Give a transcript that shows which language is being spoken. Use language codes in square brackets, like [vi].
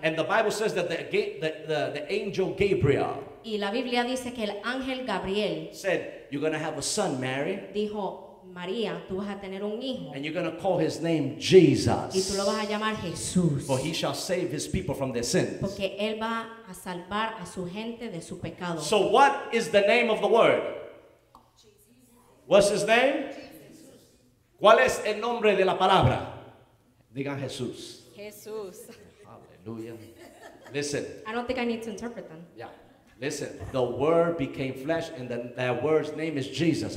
[en] And the Bible says that the angel Gabriel. [es] Y la Biblia dice que el ángel Gabriel. [en] Said, you're going to have a son, Mary. [es] Dijo, María, tú vas a tener un hijo. [en] And you're going to call his name Jesus. [es] Y tú lo vas a llamar Jesús. [en] For he shall save his people from their sins. [es] Porque él va a salvar a su gente de su pecado. [en] So what is the name of the Word? Jesus. What's his name? Jesus. [es] ¿Cuál es el nombre de la palabra? Digan Jesús. Jesús. [en] Hallelujah. Listen. I don't think I need to interpret them. Yeah. Listen, the Word became flesh, and that Word's name is Jesus.